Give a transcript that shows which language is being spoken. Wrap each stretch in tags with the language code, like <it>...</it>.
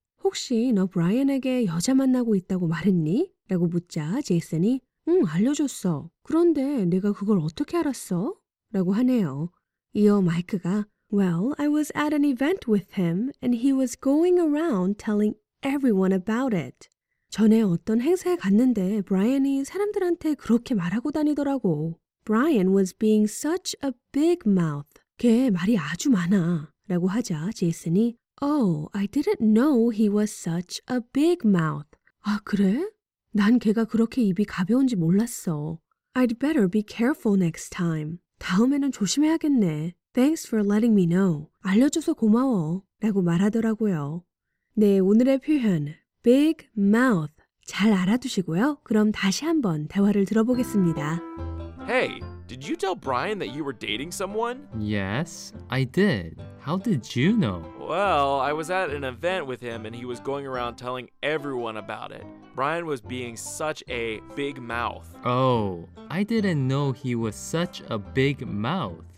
<ko>혹시 너 브라이언에게 여자 만나고 있다고 말했니? 라고 묻자 제이슨이 응, 알려줬어. 그런데 내가 그걸 어떻게 알았어? 라고 하네요. 이어 마이크가</ko> <en>Well, I was at an event with him and he was going around telling everyone about it.</en> <ko>전에 어떤 행사에 갔는데 브라이언이 사람들한테 그렇게 말하고 다니더라고.</ko> <en>Brian was being such a big mouth.</en> <ko>걔 말이 아주 많아. 라고 하자 제이슨이</ko> <en>Oh, I didn't know he was such a big mouth.</en> <ko>아, 그래? 난 걔가 그렇게 입이 가벼운지 몰랐어.</ko> <en>I'd better be careful next time.</en> <ko>다음에는 조심해야겠네.</ko> <en>Thanks for letting me know.</en> <ko>알려줘서 고마워. 라고 말하더라고요. 네, 오늘의 표현 big mouth 잘 알아두시고요. 그럼 다시 한번 대화를 들어보겠습니다.</ko> <en>Hey, did you tell Brian that you were dating someone? Yes, I did. How did you know? Well, I was at an event with him and he was going around telling everyone about it. Brian was being such a big mouth. Oh, I didn't know he was such a big mouth.</en>